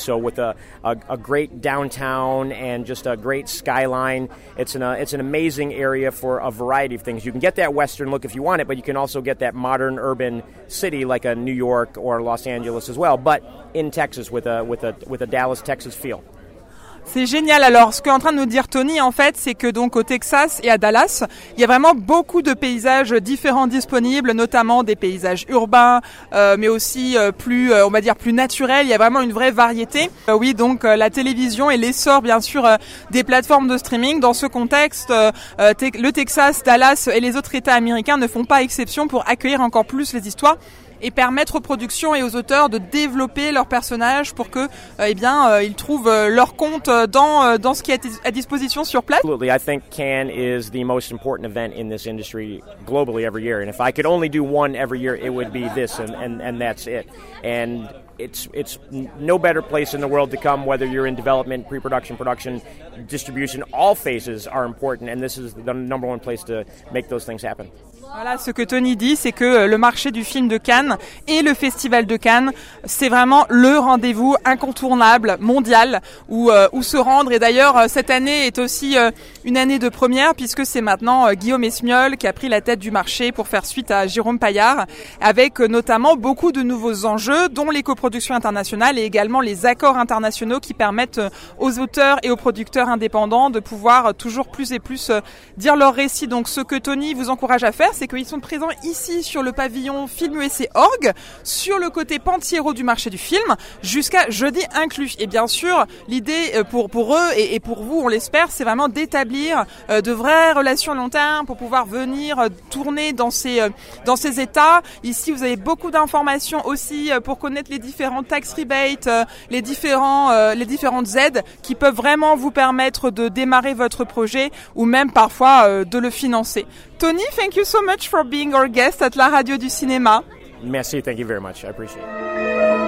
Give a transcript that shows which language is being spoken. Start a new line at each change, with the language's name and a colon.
English: So with a great downtown and just a great skyline, it's an amazing area for a variety of things. You can get that Western look if you want it, but you can also get that modern urban city like a New York or Los Angeles as well, but in Texas with a Dallas, Texas feel.
French: C'est génial. Alors, ce qu'est en train de nous dire Tony, en fait, c'est que donc au Texas et à Dallas, il y a vraiment beaucoup de paysages différents disponibles, notamment des paysages urbains, mais aussi plus, on va dire, plus naturels. Il y a vraiment une vraie variété. Oui, donc la télévision et l'essor, bien sûr, des plateformes de streaming. Dans ce contexte, le Texas, Dallas et les autres États américains ne font pas exception pour accueillir encore plus les histoires et permettre aux productions et aux auteurs de développer leurs personnages pour que, eh bien, ils trouvent leur compte dans ce qui est à disposition sur place.
English: Absolutely, I think Cannes is the most important event in this industry globally every year. And if I could only do one every year, it would be this, and that's it. And it's no better place in the world to come, whether you're in development, pre-production, production, distribution, all phases are important, and this is the number one place to make those things happen.
French: Voilà, ce que Tony dit, c'est que le marché du film de Cannes et le Festival de Cannes, c'est vraiment le rendez-vous incontournable, mondial, où se rendre. Et d'ailleurs, cette année est aussi une année de première, puisque c'est maintenant Guillaume Esmiol qui a pris la tête du marché pour faire suite à Jérôme Payard, avec notamment beaucoup de nouveaux enjeux, dont les coproductions internationales et également les accords internationaux qui permettent aux auteurs et aux producteurs indépendants de pouvoir toujours plus et plus dire leur récit. Donc ce que Tony vous encourage à faire, c'est qu'ils sont présents ici sur le pavillon filmusc.org, sur le côté pentiéreux du marché du film, jusqu'à jeudi inclus. Et bien sûr, l'idée pour eux et pour vous, on l'espère, c'est vraiment d'établir de vraies relations à long terme pour pouvoir venir tourner dans ces états. Ici, vous avez beaucoup d'informations aussi pour connaître les différents tax rebates, les différentes aides qui peuvent vraiment vous permettre de démarrer votre projet ou même parfois de le financer.
English: Tony, thank you so much for being our guest at La Radio du Cinéma. Merci, thank you very much. I appreciate it.